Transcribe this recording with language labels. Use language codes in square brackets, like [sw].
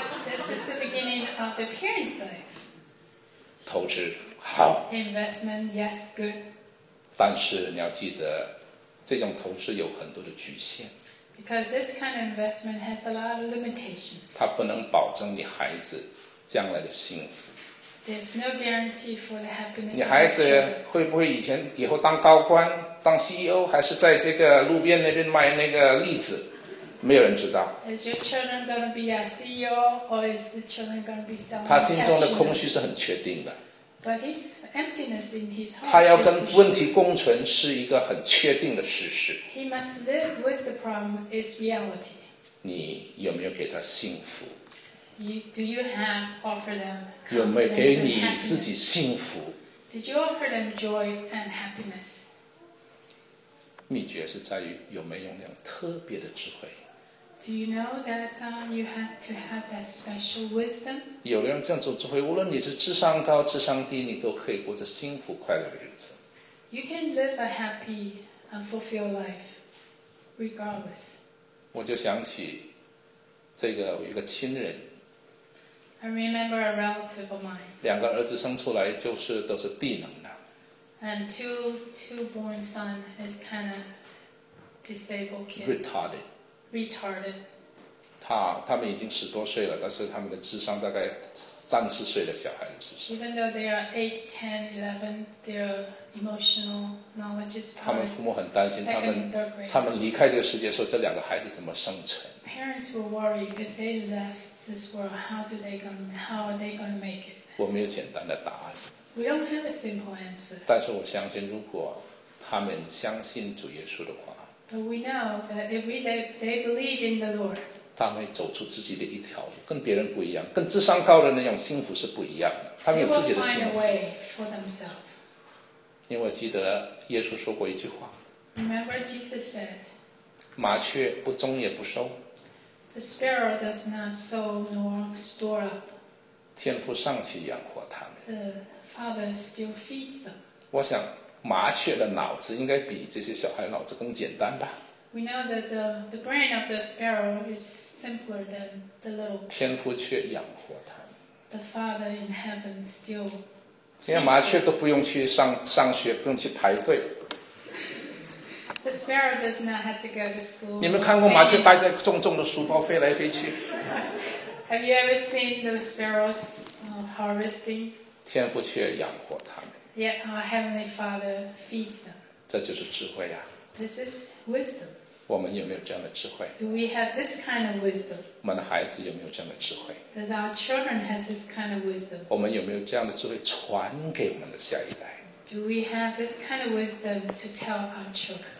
[en] This is the beginning of the parents' life. [zh] 投资好。 [en] Investment, yes, good. [zh] 但是你要记得，这种投资有很多的局限。 [en] Because this kind of investment has a lot of limitations. [zh] 它不能保证你孩子将来的幸福。 [en] There's no guarantee for the happiness. [zh] 你孩子会不会以前以后当高官、当 CEO， 还是在这个路边那边卖那个栗子？没有人知道。 [en] Is your children going to be a CEO, or is the children going to be someone? [zh] 他心中的空虚是很确定的。 [en] But his emptiness in his heart. [zh] 他要跟问题共存是一个很确定的事实。 [en] He must live with the problem is reality. [zh] 你有没有给他幸福？ [en] Do you have offered them? [zh] 有没有给你自己幸福？ [en] Did you offer them joy and happiness? [zh] 秘诀是在于有没有那样特别的智慧。 [en] Do you know that you have to have that special wisdom? [zh] 有人这样做智慧，无论你是智商高、智商低，你都可以过着幸福快乐的日子。 [en] You can live a happy and fulfilled life, regardless. [zh] 我就想起这个有一个亲人。 [en] I remember a relative of mine. [zh] 两个儿子生出来就是都是低能的。 [en] And two born son is kind of disabled kid. Retarded. Retarded. [zh] 他们已经十多岁了，但是他们的智商大概三四岁的小孩的智商。 [en] Even though they are 8, 10, 11, their emotional knowledge is. [zh] 他们父母很担心，他们离开这个世界的时候，这两个孩子怎么生存 [en] ？Parents were worried if they left this world, how are they going to make it? [zh] 我没有简单的答案。 [en] We don't have a simple answer. [zh] 但是我相信，如果他们相信主耶稣的话。 [en] But we know that if they believe in the Lord, [zh] 他们走出自己的一条路，跟别人不一样，跟智商高的那种幸福是不一样的。他们有自己的幸福。 [en] They will find a way for themselves. [zh] 因为记得耶稣说过一句话。 [en] Remember Jesus said, [zh] 麻雀不种也不收。 [en] The sparrow does not sow nor store up. [zh] 天父尚且养活他们。 [en] The Father still feeds them. [zh] 我想麻雀的脑子应该比这些小孩脑子更简单吧。 [en] We know that the brain of the sparrow is simpler than the little. [zh] 天父却养活他。 [en] The father in heaven still. [zh] 现在麻雀都不用去上学，不用去排队。 [en] The sparrow does not have to go to school. [zh] 你们看过麻雀带着重重的书包飞来飞去？ [en] Have you ever seen the sparrows harvesting? [zh] 天父却养活他们。 [en] Yet our heavenly Father feeds them. [zh] 这就是智慧啊。 [en] This is wisdom. [zh] 我们有没有这样的智慧？ [en] Do we have this kind of wisdom? [zh] 我们的孩子有没有这样的智慧？ [en] Does our children have this kind of wisdom? [zh] 我们有没有这样的智慧传给我们的下一代？ [en] Do we have this kind of wisdom to tell our children?